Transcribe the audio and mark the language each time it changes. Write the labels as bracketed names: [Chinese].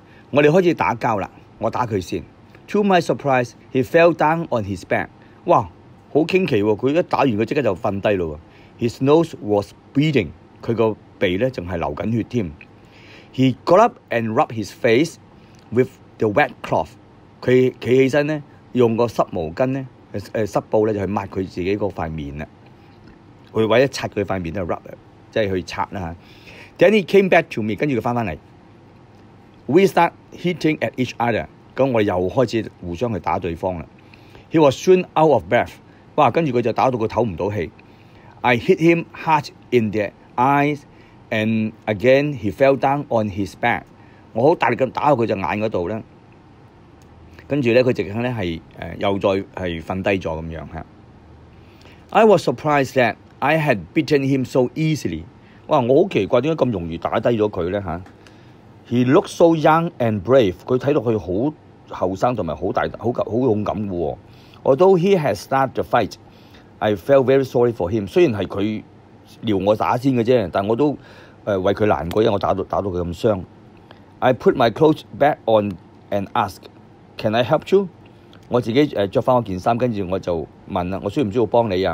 [Cantonese] 我哋开始打交啦，我打佢先。 [English] To my surprise, he fell down on his back. [Cantonese] 哇，好惊奇喎！佢一打完，佢即刻就瞓低咯。 [English] His nose was bleeding. [Cantonese] 佢个鼻咧仲系流紧血添。 [English] He got up and rubbed his face with the wet cloth. [Cantonese] 佢企起身咧，用个湿毛巾咧，湿布咧就去抹佢自己嗰块面啦。佢为咗擦佢块面咧 ，rub 啊，即系去擦啦。 [English] Then he came back to me. [Cantonese] 跟住佢翻翻嚟。 [English] We start hitting at each other. [Cantonese] 咁我哋又开始互相去打对方啦。 [English] He was soon out of breath. [Cantonese] 哇，跟住佢就打到佢唞唔到气。 [English] I hit him hard in the eyes, and again he fell down on his back. [Cantonese] 我好大力咁打到佢只眼嗰度咧，跟住咧佢直情咧系又再系瞓低咗咁样吓。 [English] I was surprised that I had beaten him so easily. [Cantonese] 哇，我好奇怪点解咁容易打低咗佢咧吓。 [English] He looked so young and brave. [Cantonese] 佢睇落去好后生同埋好大好好勇敢嘅喎。 [English] Although he had started the fight. I felt very sorry for him. [Cantonese] 雖然係佢撩我打先嘅啫，但我都為佢難過，因為我打到佢咁傷。 [English] I put my clothes back on and asked, "Can I help you?" [Cantonese] 我自己著翻我件衫，跟住我就問啦，我需唔需要幫你啊？